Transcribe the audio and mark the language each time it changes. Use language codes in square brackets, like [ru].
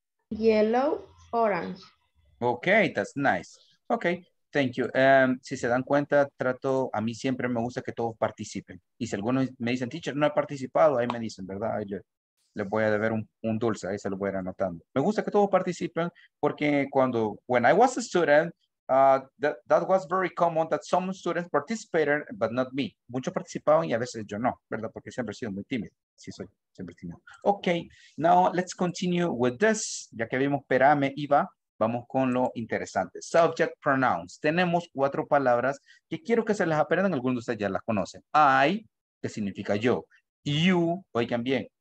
[en] Yellow, orange. Okay, that's nice. Okay. Thank you. [es] Si se dan cuenta, trato, a mí siempre me gusta que todos participen. Y si algunos me dicen, teacher, no he participado, ahí me dicen, ¿verdad? Yo les voy a deber un dulce, ahí se lo voy a ir anotando. Me gusta que todos participen porque cuando, [en] when I was a student, that was very common that some students participated, but not me. [es] Muchos participaban y a veces yo no, ¿verdad? Porque siempre he sido muy tímido. Sí, soy siempre tímido. [en] Ok, now let's continue with this. [es] Ya que vimos, perame, iba. Vamos con lo interesante. [en] Subject pronouns. [es] Tenemos cuatro palabras que quiero que se las aprendan. Algunos de ustedes ya las conocen. I, que significa yo. You, oigan bien.